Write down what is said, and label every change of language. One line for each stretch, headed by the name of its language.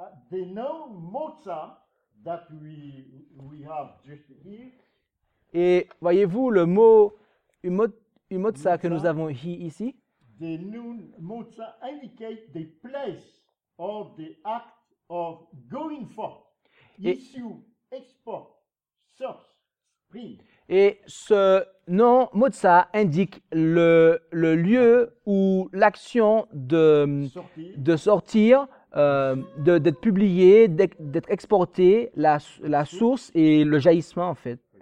English: The name Moza that we have just here.
French: Et voyez-vous le mot Umotsa que nous avons ici?
English: The noun Motsa indicate the place of the act of going forth, issue, export, source, spring.
French: Et ce nom Motsa indique le lieu ou l'action de sortir, d'être publié, d'être exporté, la source et le jaillissement en fait.